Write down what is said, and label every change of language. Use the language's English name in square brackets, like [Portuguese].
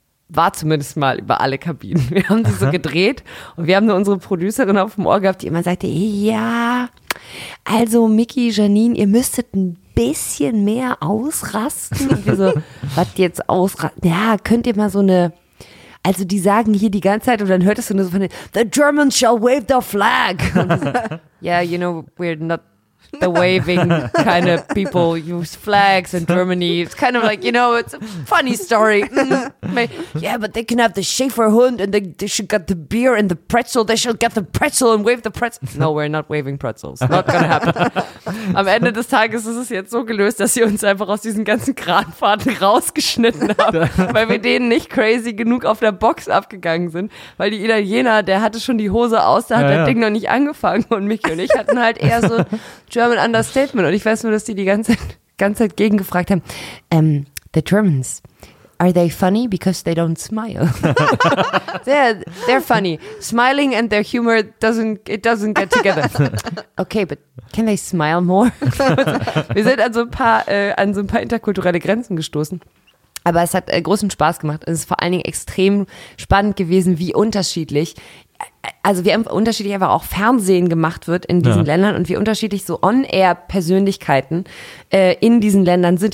[German] War zumindest mal über alle Kabinen. Wir haben sie so gedreht und wir haben nur unsere Producerin auf dem Ohr gehabt, die immer sagte, ja, also Mickey, Janine, ihr müsstet ein bisschen mehr ausrasten. Und wir so, was jetzt ausrasten? Ja, könnt ihr mal so eine, also die sagen hier die ganze Zeit und dann hörtest du nur so von den, [English] the Germans shall wave the flag. So, yeah, you know, we're not the waving kind of people use flags in Germany. It's kind of like, you know, it's a funny story. Yeah, but they can have the Schäferhund and they should get the beer and the pretzel. They should get the pretzel and wave the pretzel. No, we're not waving pretzels. Not gonna happen. [German] Am Ende des Tages ist es jetzt so gelöst, dass sie uns einfach aus diesen ganzen Kranfahrten rausgeschnitten haben, weil wir denen nicht crazy genug auf der Box abgegangen sind. Weil die Italiener, der hatte schon die Hose aus, da hat das Ding noch nicht angefangen. Und Michi und ich hatten halt eher so German Understatement. Und ich weiß nur, dass die ganze Zeit gegengefragt haben. [English] The Germans, are they funny because they don't smile? they're funny. Smiling and their humor doesn't get together. Okay, but can they smile more? [German] Wir sind an so ein paar interkulturelle Grenzen gestoßen. Aber es hat großen Spaß gemacht. Es ist vor allen Dingen extrem spannend gewesen, wie unterschiedlich. Also wie unterschiedlich einfach auch Fernsehen gemacht wird in diesen Ländern und wie unterschiedlich so On-Air-Persönlichkeiten in diesen Ländern sind.